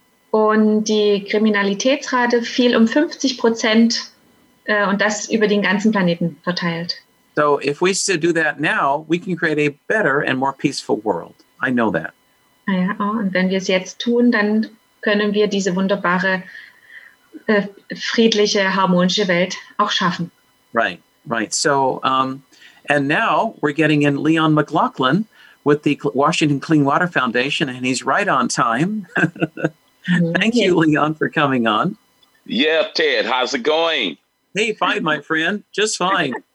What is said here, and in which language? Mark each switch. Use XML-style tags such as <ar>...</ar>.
<de>Und die Kriminalitätsrate fiel um 50% und das über den ganzen Planeten verteilt.</de> <en>So if we still do that now, we can create a better and more peaceful world. I know that.</en> <de>Ja, und wenn wir es jetzt tun, dann können wir diese wunderbare, friedliche, harmonische Welt auch schaffen.</de> <en>Right, right. So, and now we're getting in Leon McLaughlin with the Washington Clean Water Foundation, and he's right on time. Thank you, Leon, for coming on. Yeah, Ted, how's it going? Hey, fine, my friend, just fine.</en>